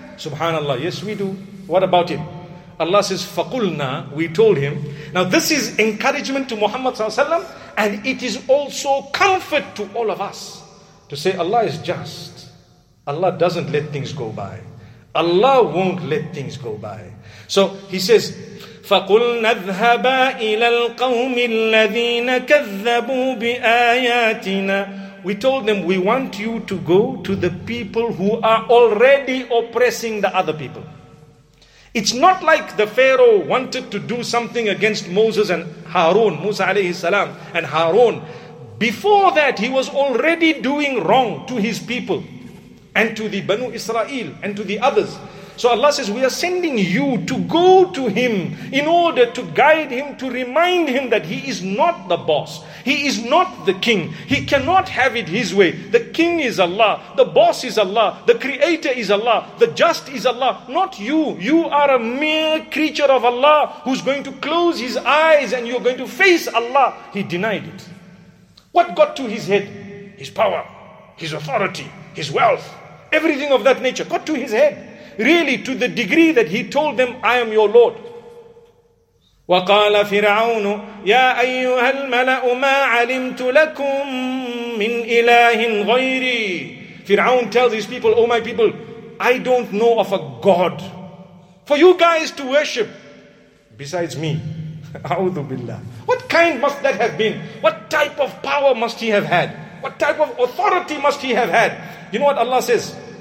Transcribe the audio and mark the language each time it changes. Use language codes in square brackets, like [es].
[en] Subhanallah, yes we do. What about him? Allah says, [ar] فَقُلْنَا, [en] we told him. Now this is encouragement to Muhammad sallallahu alayhi wa sallam, and it is also comfort to all of us to say Allah is just. Allah doesn't let things go by. Allah won't let things go by. So he says, [ar] فَقُلْنَا اذْهَبَا إِلَى الْقَوْمِ الَّذِينَ كَذَّبُوا بِآيَاتِنَا. [en] We told them, we want you to go to the people who are already oppressing the other people. It's not like the Pharaoh wanted to do something against Moses and Harun, Musa alayhi salam and Harun. Before that, he was already doing wrong to his people and to the Banu Israel and to the others. So Allah says, we are sending you to go to him in order to guide him, to remind him that he is not the boss. He is not the king. He cannot have it his way. The king is Allah. The boss is Allah. The creator is Allah. The just is Allah. Not you. You are a mere creature of Allah who's going to close his eyes and you're going to face Allah. He denied it. What got to his head? His power, his authority, his wealth, everything of that nature got to his head. Really, to the degree that he told them, I am your Lord. [ar] وقال فرعون يا أيها الملأ ما علمت لكم من إله غيري. [en] Fir'aun tells his people, oh my people, I don't know of a God for you guys to worship besides me. A'udhu billah. What kind must that have been? What type of power must he have had? What type of authority must he have had? You know what Allah says?